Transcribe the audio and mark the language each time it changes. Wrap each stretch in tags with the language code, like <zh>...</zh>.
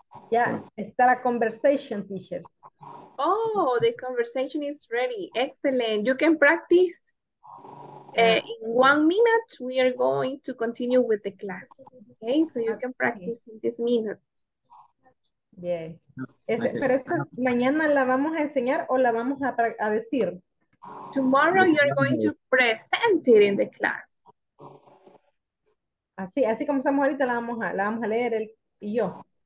<es>Ya, está la conversation, teacher.</es> <en>Oh, the conversation is ready. Excellent. You can practice. In 1 minute, we are going to continue with the class. Okay, so you can practice in this minute. Yeah.</en> <es>Pero esta mañana la vamos a enseñar o la vamos a decir.</es> <en>Tomorrow you're going to present it in the class.</en> <es>Así como estamos ahorita, la vamos a leer el y yo.</es>